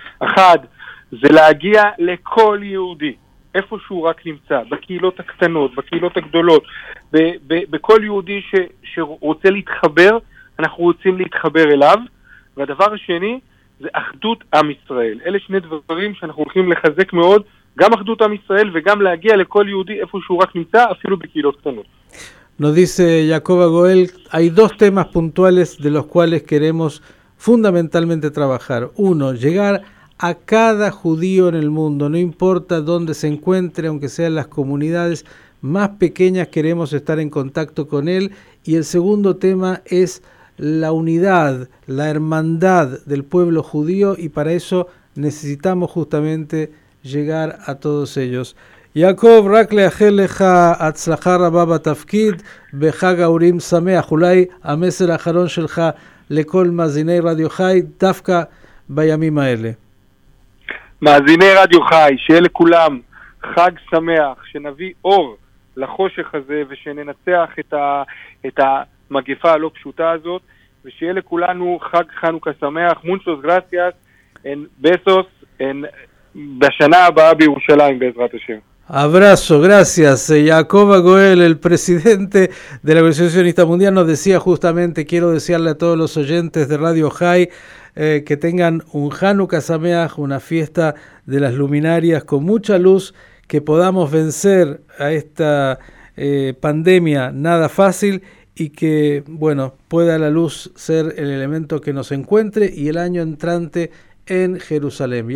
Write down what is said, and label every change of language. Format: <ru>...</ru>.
<he>אחד, זה להגיע לכל יהודי, איפה שהוא רק נמצא, בקהילות הקטנות, בקהילות הגדולות, בכל יהודי שרוצה להתחבר, אנחנו רוצים להתחבר אליו. והדבר השני זה אחדות עם ישראל. אלה שני דברים שאנחנו הולכים לחזק מאוד, גם אחדות עם ישראל וגם להגיע לכל יהודי איפה שהוא רק נמצא, אפילו בקהילות קטנות.</he> <es>Nos dice Jacob Agoel, hay dos temas puntuales de los cuales queremos fundamentalmente trabajar. Uno, llegar a cada judío en el mundo, no importa dónde se encuentre, aunque sean las comunidades más pequeñas, queremos estar en contacto con él. Y el segundo tema es la unidad, la hermandad del pueblo judío, y para eso necesitamos justamente llegar a todos ellos.</es> <he>Jacob, רק לאחל לך הצלחה רבה בתפקיד, בחג האורים שמח. אולי המסר האחרון שלך לכל מאזיני רדיו חי, דווקא בימים האלה. מאזיני רדיו חי, שיהיה לכולם חג שמח, שנביא אור לחושך הזה ושננצח את המגפה הלא פשוטה הזאת, ושיהיה לכולנו חג חנוכה שמח.</he> <es>מונצ'וס גרסיאס, אין בסוס,</es> <he>אין בשנה הבאה בירושלים בעזרת השם.</he> <es>Abrazo, gracias. Jacob Agoel, el presidente de la Organización Sionista Mundial, nos decía justamente, quiero desearle a todos los oyentes de Radio Jai que tengan un Hanukkah Sameach, una fiesta de las luminarias con mucha luz, que podamos vencer a esta pandemia nada fácil, y que, bueno, pueda la luz ser el elemento que nos encuentre y el año entrante en Jerusalén.</es>